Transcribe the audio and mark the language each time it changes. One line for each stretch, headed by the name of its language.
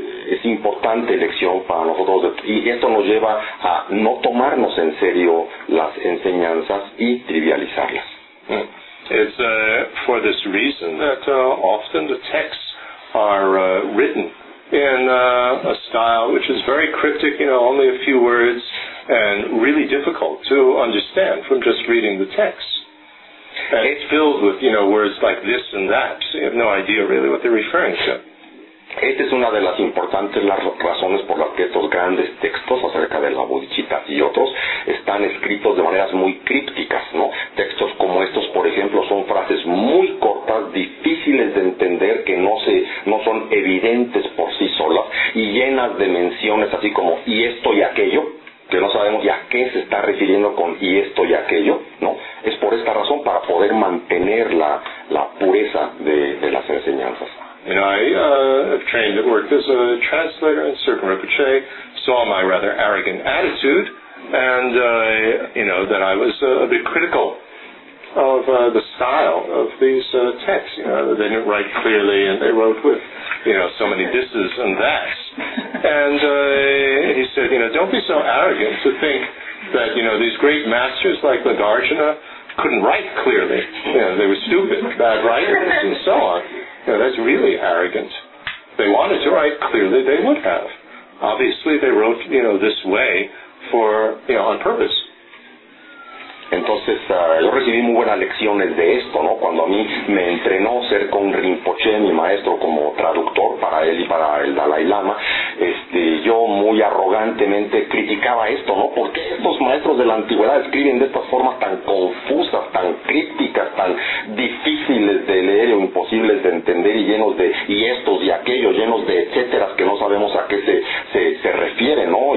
Spanish: Es importante lección para nosotros, y esto nos lleva a no tomarnos en serio las enseñanzas y trivializarlas.
English: It's for this reason that often the texts are written in a style which is very cryptic, you know, only a few words, and really difficult to understand from just reading the text. And it's filled with, you know, words like this and that. So you have no idea really what they're referring to.
Spanish: Esta es una de las importantes las razones por las que estos grandes textos acerca de la bodichitta y otros están escritos de maneras muy crípticas, ¿no? Textos como estos, por ejemplo, son frases muy cortas, difíciles de entender, que no son evidentes por sí solas y llenas de menciones así como y esto y aquello, que no sabemos ya a qué se está refiriendo con y esto y aquello, ¿no? Es por esta razón, para poder mantener la pureza de las enseñanzas.
English: You know, I have trained at work as a translator, and Sirpa Rinpoche saw my rather arrogant attitude, and, you know, that I was a bit critical of the style of these texts. You know, that they didn't write clearly, and they wrote with, you know, so many this's and that's. And he said, you know, don't be so arrogant to think that, you know, these great masters like Nagarjuna couldn't write clearly. You know, they were stupid, bad writers, and so on. Yeah, that's really arrogant. They wanted to write clearly, they would have. Obviously, they wrote, you know, this way for, you know, on purpose.
Spanish: Entonces, yo recibí muy buenas lecciones de esto, ¿no? Cuando a mí me entrenó ser con Rinpoche, mi maestro, como traductor para él y para el Dalai Lama, yo muy arrogantemente criticaba esto, ¿no? ¿Por qué estos maestros de la antigüedad escriben de estas formas tan confusas, tan crípticas, tan difíciles de leer o imposibles de entender y llenos de y estos y aquellos, llenos de etcéteras que no sabemos a qué se refiere, ¿no?